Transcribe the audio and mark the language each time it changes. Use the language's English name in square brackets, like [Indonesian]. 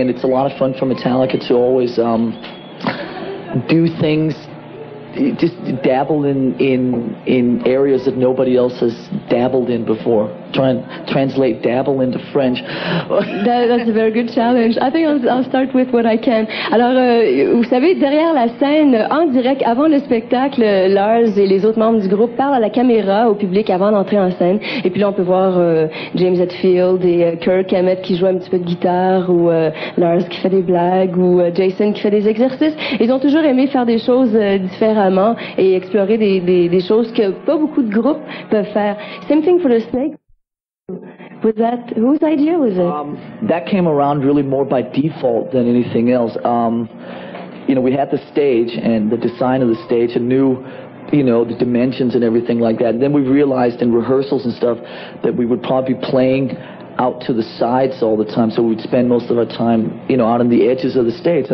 [English] And it's a lot of fun for Metallica to always do things, just dabble in areas that nobody else has dabbled in before. Try and translate dabble into French. That's a very good challenge. I think I'll start with what I can. [French] Alors, vous savez, derrière la scène, en direct, avant le spectacle, Lars et les autres membres du groupe parlent à la caméra, au public, avant d'entrer en scène. Et puis là, on peut voir James Hetfield et Kirk Hammett qui jouent un petit peu de guitare, ou Lars qui fait des blagues, ou Jason qui fait des exercices. Ils ont toujours aimé faire des choses différemment et explorer des choses que pas beaucoup de groupes peuvent faire. [English] Same thing for the snake. Was that, whose idea was it? That came around really more by default than anything else. You know, we had the stage and the design of the stage and knew, you know, the dimensions and everything like that. And then we realized in rehearsals and stuff that we would probably be playing out to the sides all the time. So we'd spend most of our time, you know, out on the edges of the stage.